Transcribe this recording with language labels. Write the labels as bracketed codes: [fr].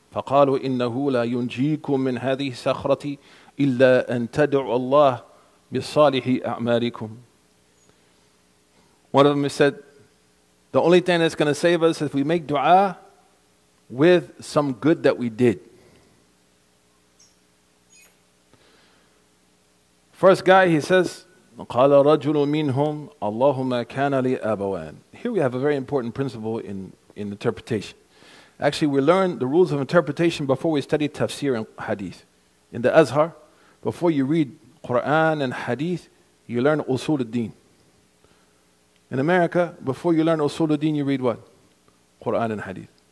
[ar] فَقَالُوا إِنَّهُ لَا يُنْجِيكُمْ مِنْ هَذِهِ سَخْرَةِ إِلَّا أَن تَدْعُوا اللَّهِ بِصَالِحِ أَعْمَالِكُمْ. [en] One of them said, the only thing that's going to save us is if we make dua with some good that we did. First guy, he says, [ar] قَالَ رَجُلٌ مِّنْهُمْ اللَّهُمَّ كَانَ لِي أَبَوَانِ. [en] Here we have a very important principle in interpretation. Actually, we learn the rules of interpretation before we study tafsir and hadith. In the Azhar, before you read Quran and hadith, you learn usul al-deen. In America, before you learn Usuluddin, you read what? Quran and Hadith.